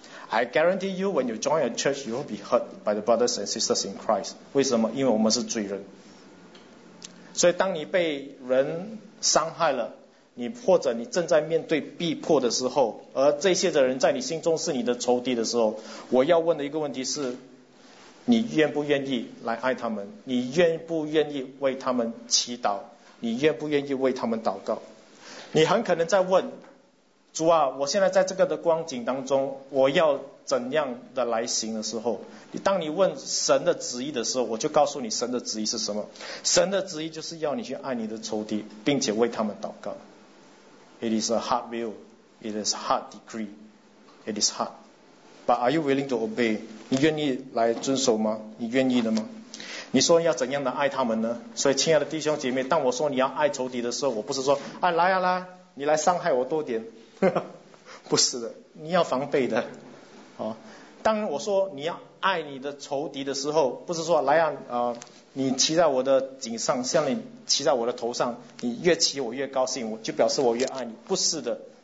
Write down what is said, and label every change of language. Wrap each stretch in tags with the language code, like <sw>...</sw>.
<en>I guarantee you when you join a church, you will be hurt by the brothers and sisters in Christ.</en> <zh>为什么？因为我们是罪人。所以当你被人伤害了，你或者你正在面对逼迫的时候，而这些的人在你心中是你的仇敌的时候，我要问的一个问题是，你愿不愿意来爱他们？你愿不愿意为他们祈祷？你愿不愿意为他们祷告？你很可能在问，主啊，我现在在这个的光景当中，我要怎样的来行的时候，当你问神的旨意的时候，我就告诉你神的旨意是什么。神的旨意就是要你去爱你的仇敌，并且为他们祷告。</zh> <en>It is a hard will, it is a hard decree, it is hard, but are you willing to obey?</en> <zh>你愿意来遵守吗？你愿意的吗？你说要怎样的爱他们呢？所以亲爱的弟兄姐妹，当我说你要爱仇敌的时候，我不是说哎，来啊来，你来伤害我多点不是的，你要防备的。当我说你要爱你的仇敌的时候，不是说来啊、你骑在我的颈上，像你骑在我的头上，你越骑我越高兴，我就表示我越爱你，不是的。</zh>